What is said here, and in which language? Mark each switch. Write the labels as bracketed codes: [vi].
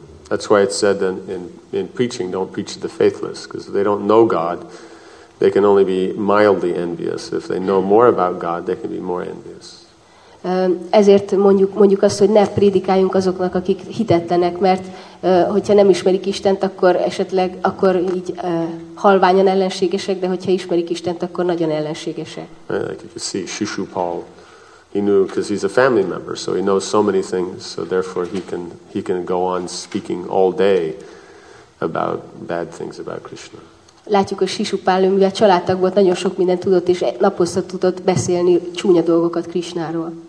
[en] That's why it's said in preaching, don't preach to the faithless, because they don't know God. They can only be mildly envious. If they know more about God, they can be more envious. [hu] Ezért mondjuk azt, hogy ne prédikáljunk azoknak, akik hitetlenek, mert hogyha nem ismerik Istent, akkor esetleg akkor így halványan ellenségesek, de hogyha ismerik Istent, akkor nagyon ellenségesek. [en] Like if you see Shishupal, he knew because he's a family member, so he knows so many things, so therefore he can go on speaking all day about bad things about Krishna. [hu] Látjuk, hogy Shishupál, mivel családtag volt, nagyon sok mindent tudott, és naposztat tudott beszélni csúnya dolgokat Krishnáról.